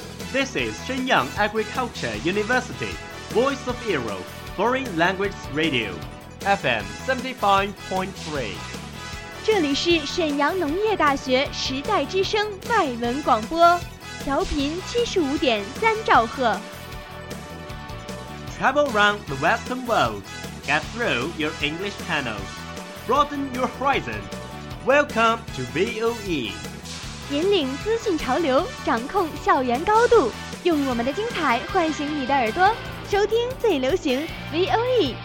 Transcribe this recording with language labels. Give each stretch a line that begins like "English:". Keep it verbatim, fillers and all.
English: This is Shenyang Agriculture University, Voice of Europe, Foreign Language Radio, F M seventy-five point three.
Chinese: 这里是沈阳农业大学时代之声外文广播，调频七十五点三兆赫。
English: Travel round the Western world, get through your English panels, broaden your horizon. Welcome to V O E.
Chinese: 引领资讯潮流，掌控校园高度，用我们的精彩唤醒你的耳朵，收听最流行 V O E，